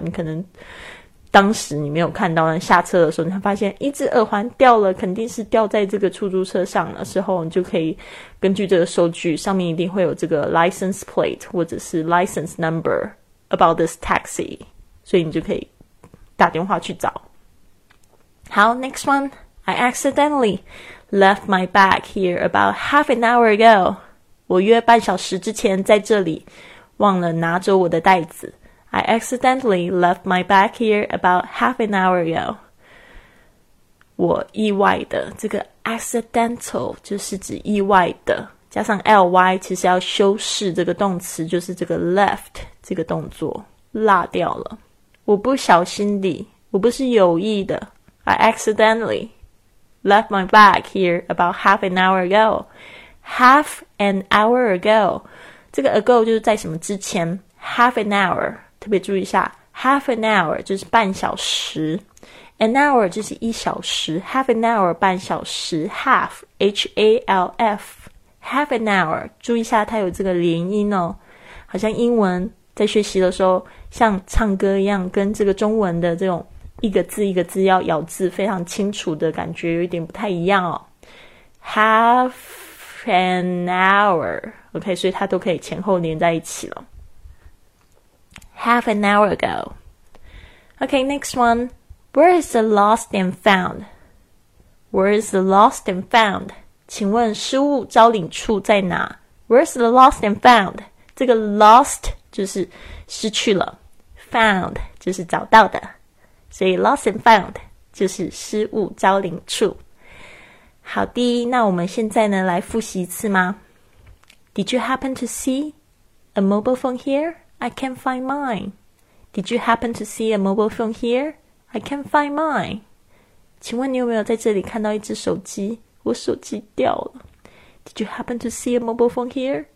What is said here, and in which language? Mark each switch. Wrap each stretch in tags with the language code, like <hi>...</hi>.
<zh>你可能当时你没有看到，但下车的时候你才发现一只耳环掉了，肯定是掉在这个出租车上的时候，你就可以根据这个收据上面一定会有这个</zh> <en>license plate 或者是 license number about this taxi，</en> <zh>所以你就可以打电话去找。</zh> <en>好， next one， I accidentally left my bag here about half an hour ago，</en> <zh>我约半小时之前在这里忘了拿走我的袋子。</zh> <en>I accidentally left my bag here about half an hour ago.</en> <zh>我意外的，这个 accidental 就是指意外的，加上 ly 其实要修饰这个动词，就是这个 left 这个动作落掉了。我不小心的，我不是有意的。</zh> <en>I accidentally left my bag here about half an hour ago. Half an hour ago.</en> <zh>这个 ago 就是在什么之前， half an hour. 特别注意一下 half an hour 就是半小时， an hour 就是一小时， half an hour 半小时， half H-A-L-F half an hour， 注意一下它有这个连音哦，好像英文在学习的时候像唱歌一样，跟这个中文的这种一个字一个字要咬字非常清楚的感觉有一点不太一样哦。 half an hour， OK， 所以它都可以前后连在一起了。</zh> <en>Half an hour ago. Okay, next one. Where is the lost and found? Where is the lost and found?</en> <zh>请问失物招领处在哪？</zh> <en>Where is the lost and found?</en> <zh>这个 lost 就是失去了， found 就是找到的，所以 lost and found 就是失物招领处。好的，那我们现在呢来复习一次吗？</zh> <en>Did you happen to see a mobile phone here? I can't find mine. Did you happen to see a mobile phone here? I can't find mine.</en> <zh>请问你有没有在这里看到一只手机？我手机掉了。</zh> <en>Did you happen to see a mobile phone here?</en>